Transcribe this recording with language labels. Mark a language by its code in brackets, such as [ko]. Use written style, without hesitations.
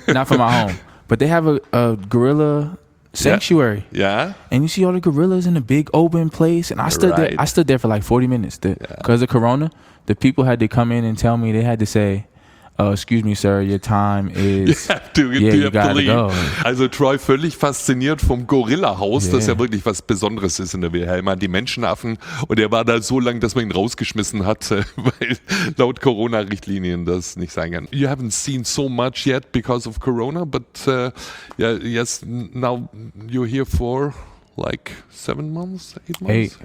[en] Not for my home. But they have a gorilla sanctuary. Yeah. Yeah, and you see all the gorillas in a big open place, and I stood there. I stood there for like 40 minutes because of Corona. The people had to come in and tell me they had to say. Oh, excuse me, sir, your time is... You have to leave. [de] Also Troy völlig fasziniert vom Gorilla-Haus, yeah. Das ja wirklich was Besonderes ist in der Wilhelma, die Menschenaffen. Und er war da so lang, dass man ihn rausgeschmissen hat, weil laut Corona-Richtlinien das nicht sein kann. [en] You haven't seen so much yet because of Corona, but yes, now you're here for like 7 months, 8 months?